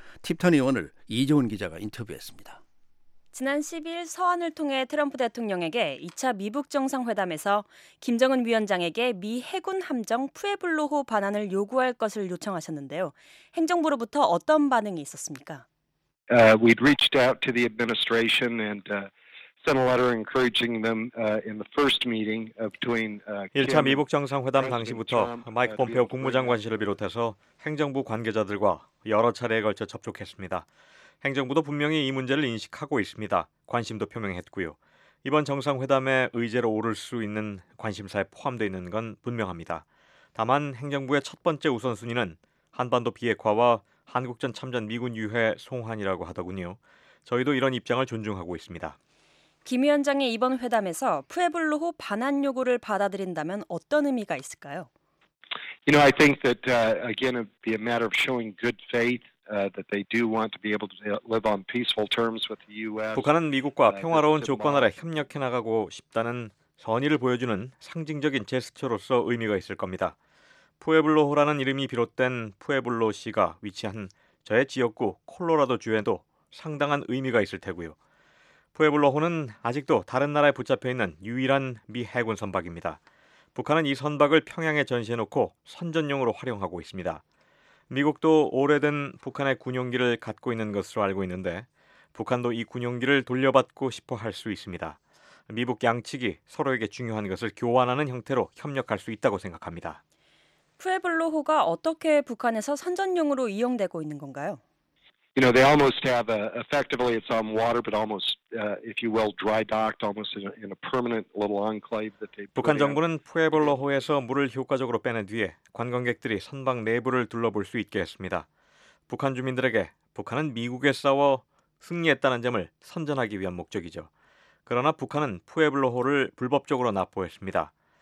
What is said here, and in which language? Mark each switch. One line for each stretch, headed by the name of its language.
Korean: 팁턴 의원을 이재훈 기자가 인터뷰했습니다. 지난 12일 서한을 통해 트럼프 대통령에게 2차 미북 정상회담에서 김정은 위원장에게 미 해군 함정 푸에블로호 반환을 요구할 것을 요청하셨는데요. 행정부로부터 어떤 반응이 있었습니까?
English: We'd reached out to the administration and sent a letter encouraging them in the first meeting between
Korean: 1차 미북 정상회담 당시부터 마이크 폼페오 국무장관실을 비롯해서 행정부 관계자들과 여러 차례에 걸쳐 접촉했습니다. 행정부도 분명히 이 문제를 인식하고 있습니다. 관심도 표명했고요. 이번 정상회담의 의제로 오를 수 있는 관심사에 포함되어 있는 건 분명합니다. 다만 행정부의 첫 번째 우선순위는 한반도 비핵화와 한국전 참전 미군 유해 송환이라고 하더군요. 저희도 이런 입장을 존중하고 있습니다. 김 위원장의 이번 회담에서 푸에블로호 반환 요구를 받아들인다면 어떤 의미가 있을까요?
English: You know, I think that again it'd be a matter of showing good faith. That they do want to be able to live on peaceful terms with the U.S.
Korean: 북한은 미국과 평화로운 조건 아래 협력해 나가고 싶다는 선의를 보여주는 상징적인 제스처로서 의미가 있을 겁니다. 푸에블로호라는 이름이 비롯된 푸에블로 시가 위치한 저의 지역구 콜로라도 주에도 상당한 의미가 있을 테고요. 푸에블로호는 아직도 다른 나라에 붙잡혀 있는 유일한 미 해군 선박입니다. 북한은 이 선박을 평양에 전시해놓고 선전용으로 활용하고 있습니다. 미국도 오래된 북한의 군용기를 갖고 있는 것으로 알고 있는데 북한도 이 군용기를 돌려받고 싶어 할 수 있습니다. 미북 양측이 서로에게 중요한 것을 교환하는 형태로 협력할 수 있다고 생각합니다. 푸에블로호가 어떻게 북한에서 선전용으로 이용되고 있는 건가요?
English: You know, they almost have a, effectively it's on water, but almost, if you will, dry docked, almost in a permanent little enclave that they.
Korean: 북한 정부는 푸에블로호에서 물을 효과적으로 빼낸 뒤에 관광객들이 선박 내부를 둘러볼 수 있게 했습니다. 북한 주민들에게 북한은 미국에 싸워 승리했다는 점을 선전하기 위한 목적이죠. 그러나 북한은 푸에블로호를 불법적으로 납포했습니다.